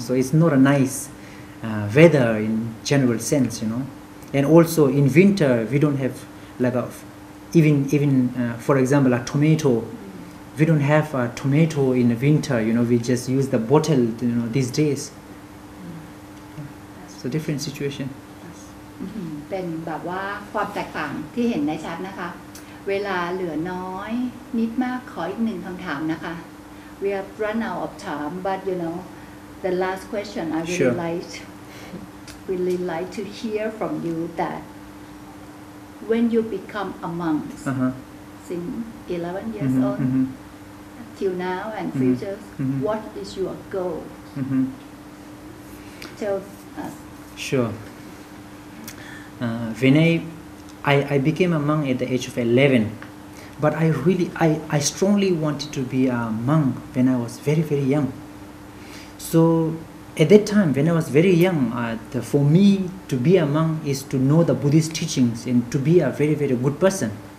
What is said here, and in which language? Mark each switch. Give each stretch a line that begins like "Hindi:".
English: So it's not a nice weather in general sense, you know. And also in winter, we don't have like a, even for example, a tomato. We don't have a tomato in the winter, you know, we just use the bottle, you know, these days. So different situation.
Thai: เป็นแบบว่าความแตกต่างที่เห็นได้ชัดนะคะเวลาเหลือน้อยนิดมากขออีกหนึ่งคำถามนะคะ
English: We have run out of time but you know the last question I really like to hear from you that when you become a monk since 11 years old till now and future what is your goal tell us Vinay I became a monk at the age of 11, but I really, I strongly wanted to be a monk when I was very, very young. So at that time, when I was very young, for me to be a monk is to know the Buddhist teachings and to be a very, very good person.